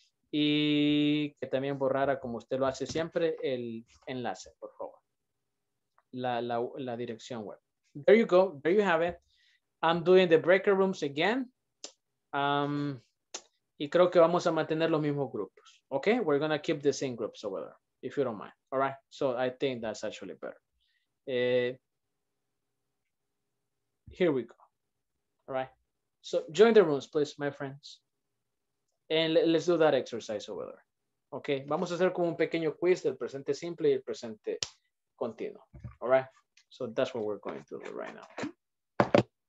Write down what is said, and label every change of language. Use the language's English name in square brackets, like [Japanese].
[Spanish] Y que también borrara, como usted lo hace siempre, el enlace, por favor. La dirección web. [English] There you go. There you have it. I'm doing the breakout rooms again. [Spanish] Y creo que vamos a mantener los mismos grupos. [English] Okay? We're going to keep the same groups over there, if you don't mind. All right? So I think that's actually better. Here we go. All right, so join the rooms, please, my friends. And let's do that exercise over there. [Spanish] Okay, vamos a hacer como un pequeño quiz del presente simple y el presente continuo. [English] All right, so that's what we're going to do right now.